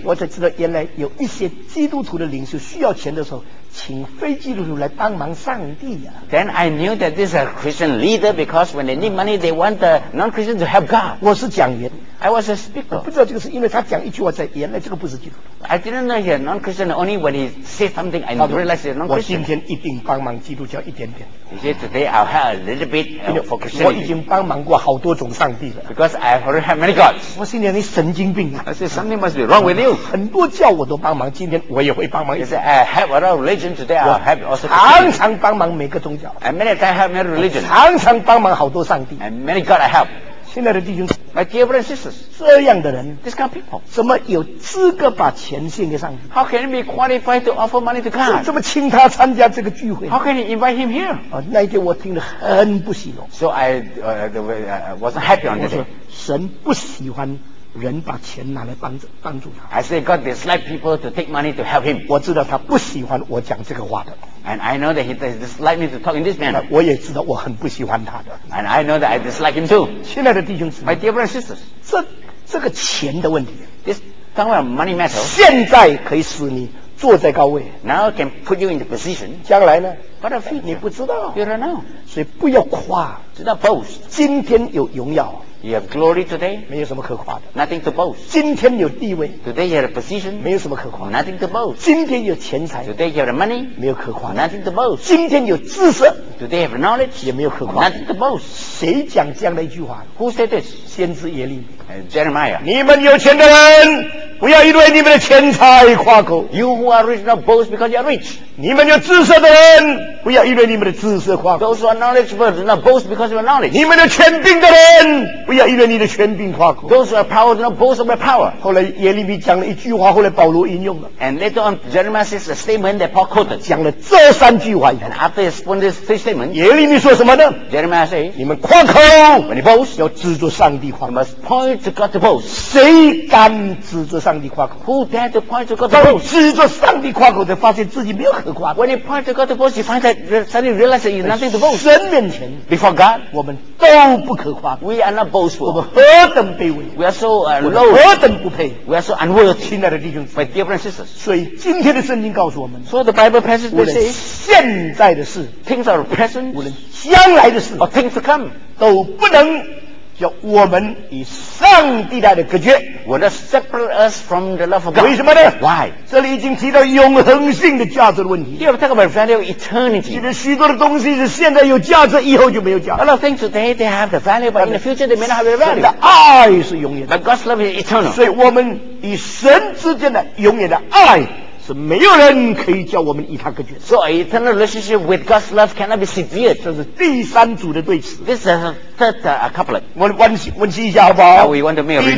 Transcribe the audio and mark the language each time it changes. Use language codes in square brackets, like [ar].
[zh] 我才知道原来有一些基督徒的领袖需要钱的时候，请非基督徒来帮忙上帝啊。 [en] Then I knew that this is a Christian leader because when they need money, they want the non-Christian to help God. [zh] 我是讲员 [en] ，I was a speaker. [zh] 我不知道这个是因为他讲一句话在，原来这个不是基督徒。 [en] I didn't know he's non-Christian. Only when he said something, I realized he's non-Christian. [zh] 我今天一定帮忙基督教一点点。 [en] He said today I'll help a little bit for Christian. [zh] 我已经帮忙过好多种上帝了。 [en] Because I've already had many gods. [zh] 我心里你神经病啊 [en] ！I said something must be wrong with you. [zh] 很多教我都帮忙，今天我也会帮忙。 [en] He said I have a lot of religion. [zh] 常常帮忙每个宗教 [en] and many times help many religions. [zh] 常常帮忙好多上帝 [en] and many God I help. [zh] 亲爱的弟兄 [en] my dear brothers and sisters, [zh] 这样的人 [en] this kind of people, [zh] 怎么有资格把钱献给上帝 [en] how can you be qualified to offer money to God? [zh] 这么请他参加这个聚会 [en] how can you invite him here? [zh] 那一天我听得很不喜乐 [en] so I wasn't happy on that day. [zh] 神不喜欢人把钱拿来帮助他。 [en] I say God dislike people to take money to help him. [zh] 我知道他不喜欢我讲这个话的。 [en] And I know that he does dislike me to talk in this manner. [zh] 我也知道我很不喜欢他的。 [en] And I know that I dislike him too. [zh] 亲爱的弟兄姊妹 [en] ，My dear brothers and sisters, [zh] 这个钱的问题 [en] ，this talking about money matter, [zh] 现在可以使你坐在高位 [en] ，now can put you in the position. [zh] 将来呢 [en] ？What a future? [zh] 你不知道 [en] ，you don't know. [zh] 所以不要夸，知道 [en] boast. [zh] 今天有荣耀。 [en] You have glory today. [zh] 没有什么可夸的。 [en] Nothing to boast. [zh] 今天有地位。 [en] Today you have a position. [zh] 没有什么可夸。 [en] Nothing to boast. [zh] 今天有钱财。 [en] Today you have money. [zh] 没有可夸。 [en] Nothing to boast. [zh] 今天有知识。 [en] Today have knowledge. [zh] 也没有可夸。 [en] Nothing to boast. [zh] 谁讲这样的一句话 [en] ？Who said this? [zh] 先知耶利米。 [en] Jeremiah. [zh] 你们有钱的人，不要因为你们的钱财夸口。 [en] You who are rich not boast because you are rich. [zh] 你们有知识的人，不要因为你们的知识夸口。 [en] Those who are knowledgeable not boast because of knowledge. [zh] 你们有权柄的人。不要因为你的权柄夸口。 [en] Those who are power do not boast of my power. [zh] 后来耶利米讲了一句话，后来保罗引用了。 [en] And later on, Jeremiah says a statement that Paul quoted. [zh] 讲了这三句话。 [en] And after he spoke this three statements, [zh] 耶利米说什么呢 [en] ？Jeremiah says, [zh] 你们夸口 [en] ，when you boast, [zh] 要指着上帝夸口。 [en] You must point to God to boast. [zh] 谁敢指着上帝夸口 [en] ？Who dare to point to God to boast? [zh] 指着上帝夸口才发现自己没有可夸。 [en] When you point to God to boast, you find that suddenly realize that you have nothing to boast. [zh] 神面前 [en] ，before God, [zh] 我们都不可夸。 [en] We are not boastful. [zh] 我们何等卑微。 [en] We are so low. [zh] 何等不配。 [en] We are so unworthy. [zh] 亲爱的弟兄姊妹 [en] ，My dear brothers and sisters. [zh] 所以今天的圣经告诉我们 [en] ，So the Bible passage says, [zh] 现在的事 [en] ，things are present. [zh] 无论将来的事 [en] ，or things to come, [zh] 都不能叫我们与上帝来的隔绝。 [en] Will not separate us from the love of God. [zh] 为什么呢 [en] ？Why? [zh] 这里已经提到永恒性的价值的问题。 [en] Here we talk about value of eternity. [zh] 其实许多的东西是现在有价值，以后就没有价值。 [en] A lot of things today they have the value, but in the future they may not have the value. [zh] 神的爱是永远的。 [en] But God's love is eternal. [zh] 所以我们与神之间的永远的爱是没有人可以叫我们与他隔绝。 [en] So an eternal relationship with God's love cannot be severed. [zh] 这是第三组的对词。 [en] This is third couplet. [zh] 我们温习一下好不好 [en] ？Now we want to make a review.